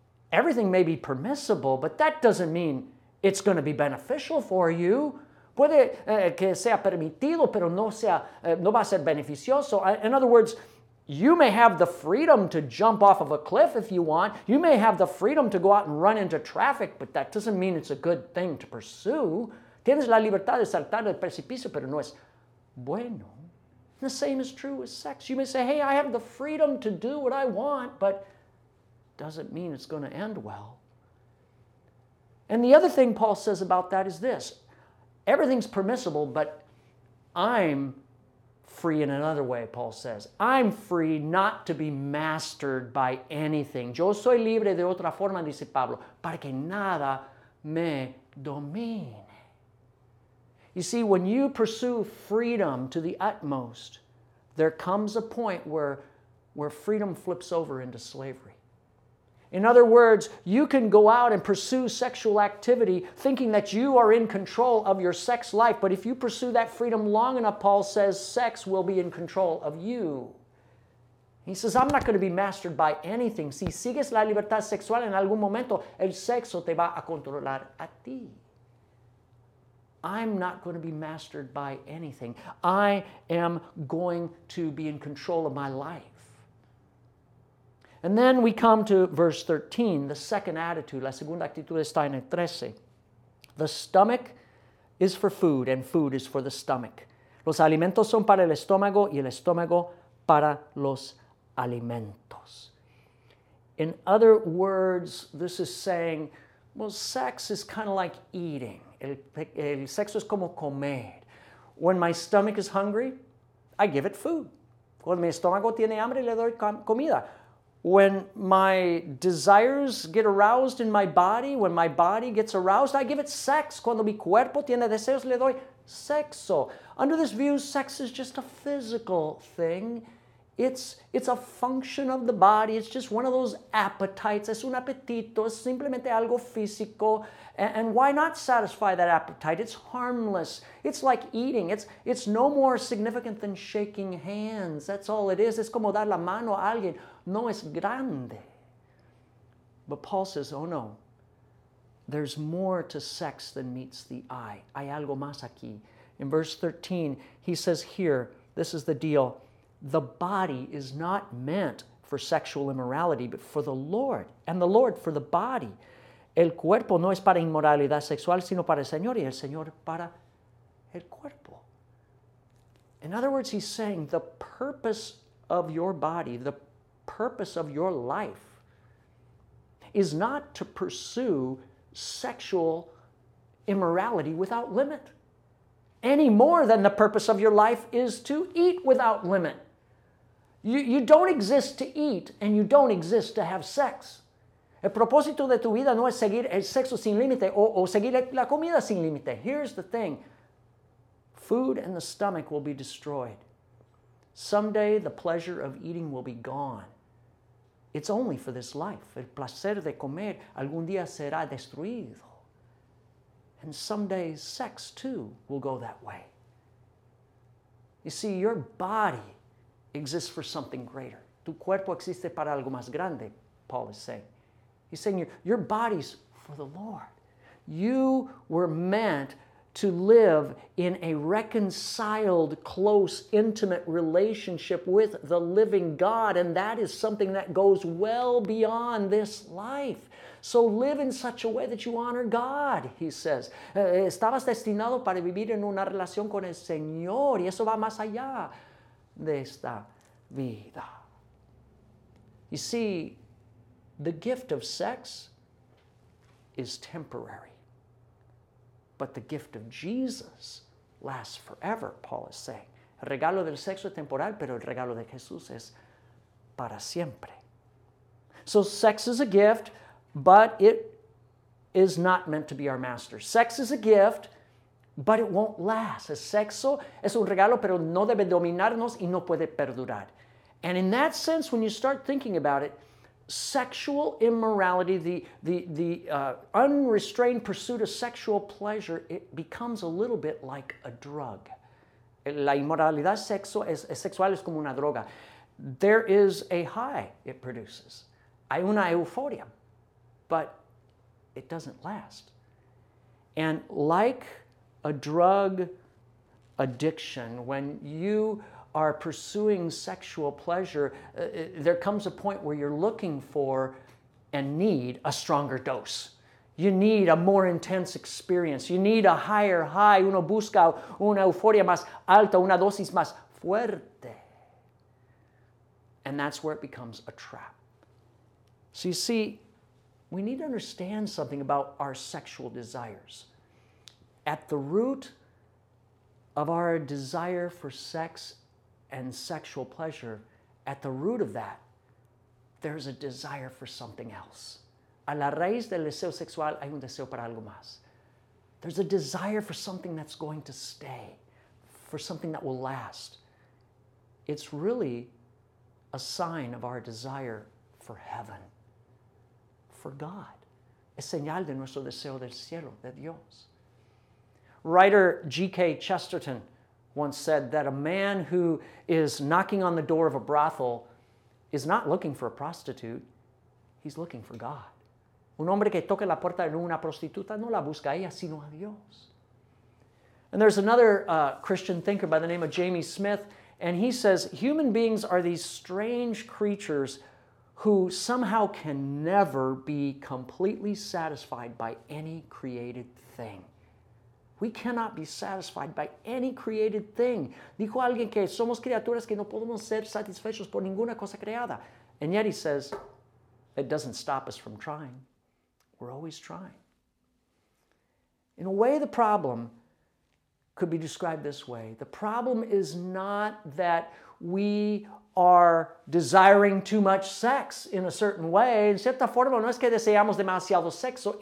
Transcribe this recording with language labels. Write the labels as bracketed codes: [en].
[en] Everything may be permissible, but that doesn't mean it's going to be beneficial for you. [es] Puede que sea permitido, pero no va a ser beneficioso. [en] In other words, you may have the freedom to jump off of a cliff if you want. You may have the freedom to go out and run into traffic, but that doesn't mean it's a good thing to pursue. [es] Tienes la libertad de saltar del precipicio, pero no es bueno. [en] The same is true with sex. You may say, hey, I have the freedom to do what I want, but doesn't mean it's going to end well. And the other thing Paul says about that is this. Everything's permissible, but I'm free in another way, Paul says. I'm free not to be mastered by anything. [es] Yo soy libre de otra forma, dice Pablo, para que nada me domine. [en] You see, when you pursue freedom to the utmost, there comes a point where freedom flips over into slavery. In other words, you can go out and pursue sexual activity thinking that you are in control of your sex life, but if you pursue that freedom long enough, Paul says, sex will be in control of you. He says, I'm not going to be mastered by anything. [es] Si sigues la libertad sexual en algún momento, el sexo te va a controlar a ti. [en] I'm not going to be mastered by anything. I am going to be in control of my life. And then we come to verse 13, the second attitude. [es] La segunda actitud está en el 13. [en] The stomach is for food, and food is for the stomach. [es] Los alimentos son para el estómago, y el estómago para los alimentos. [en] In other words, this is saying, well, sex is kind of like eating. [es] El sexo es como comer. [en] When my stomach is hungry, I give it food. [es] Cuando mi estómago tiene hambre, le doy comida. [en] When my desires get aroused in my body, when my body gets aroused, I give it sex. [es] Cuando mi cuerpo tiene deseos, le doy sexo. [en] Under this view, sex is just a physical thing. It's a function of the body. It's just one of those appetites. [es] Es un apetito. Es simplemente algo físico. [en] And why not satisfy that appetite? It's harmless. It's like eating. It's no more significant than shaking hands. That's all it is. [es] Es como dar la mano a alguien. No es grande. [en] But Paul says, oh no, there's more to sex than meets the eye. [es] Hay algo más aquí. [en] In verse 13, he says here, this is the deal. The body is not meant for sexual immorality, but for the Lord, and the Lord for the body. [es] El cuerpo no es para inmoralidad sexual, sino para el Señor, y el Señor para el cuerpo. [en] In other words, he's saying the purpose of your body, the purpose of your life, is not to pursue sexual immorality without limit, any more than the purpose of your life is to eat without limit. You don't exist to eat, and you don't exist to have sex. [es] El propósito de tu vida no es seguir el sexo sin límite o seguir la comida sin límite. [en] Here's the thing. Food and the stomach will be destroyed. Someday, the pleasure of eating will be gone. It's only for this life. [es] El placer de comer algún día será destruido. [en] And someday, sex, too, will go that way. You see, your body exists for something greater. [es] Tu cuerpo existe para algo más grande, [en] Paul is saying. He's saying your body's for the Lord. You were meant to live in a reconciled, close, intimate relationship with the living God, and that is something that goes well beyond this life. So live in such a way that you honor God, he says. [es] Estabas destinado para vivir en una relación con el Señor, y eso va más allá de esta vida. [en] You see, the gift of sex is temporary, but the gift of Jesus lasts forever, Paul is saying. [es] El regalo del sexo es temporal, pero el regalo de Jesús es para siempre. [en] So sex is a gift, but it is not meant to be our master. Sex is a gift, but it won't last. [es] El sexo es un regalo, pero no debe dominarnos y no puede perdurar. [en] And in that sense, when you start thinking about it, sexual immorality, the unrestrained pursuit of sexual pleasure, it becomes a little bit like a drug. [es] La inmoralidad sexual es como una droga. [en] There is a high it produces. [es] Hay una euforia, [en] but it doesn't last. And like a drug addiction, when you are pursuing sexual pleasure, there comes a point where you're looking for and need a stronger dose. You need a more intense experience. You need a higher high. [es] Uno busca una euforia más alta, una dosis más fuerte. [en] And that's where it becomes a trap. So you see, we need to understand something about our sexual desires. At the root of our desire for sex and sexual pleasure, at the root of that, there's a desire for something else. [es] A la raíz del deseo sexual hay un deseo para algo más. [en] There's a desire for something that's going to stay, for something that will last. It's really a sign of our desire for heaven, for God. [es] Es señal de nuestro deseo del cielo, de Dios. [en] Writer G.K. Chesterton once said that a man who is knocking on the door of a brothel is not looking for a prostitute, he's looking for God. [es] Un hombre que toque la puerta de una prostituta no la busca ella, sino a Dios. [en] And there's another Christian thinker by the name of Jamie Smith, and he says, human beings are these strange creatures who somehow can never be completely satisfied by any created thing. We cannot be satisfied by any created thing. [es] Dijo alguien que somos criaturas que no podemos ser satisfechos por ninguna cosa creada. [en] And yet he says, it doesn't stop us from trying. We're always trying. In a way, the problem could be described this way. The problem is not that we are desiring too much sex in a certain way. [es] En cierta forma, no es que deseamos demasiado sexo.